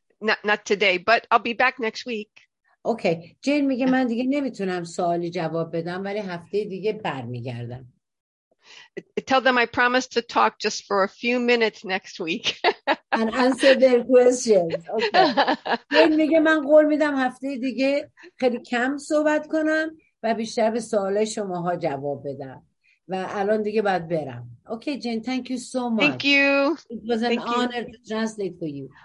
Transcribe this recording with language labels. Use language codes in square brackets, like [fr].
[en] Not today, but I'll be back next week. Okay. [fa] Jane میگه من دیگه نمیتونم سوالی جواب بدم ولی هفته دیگه برمیگردم. [en] Tell them I promise to talk just for a few minutes next week. And answer their questions. Okay. [fa] این میگه من قول میدم هفته دیگه خیلی کم صحبت کنم و بیشتر به سوال شماها جواب بدم. و الان دیگه باید برم. [en] Okay, Jane, thank you so much. Thank you. It was an honor to translate for you.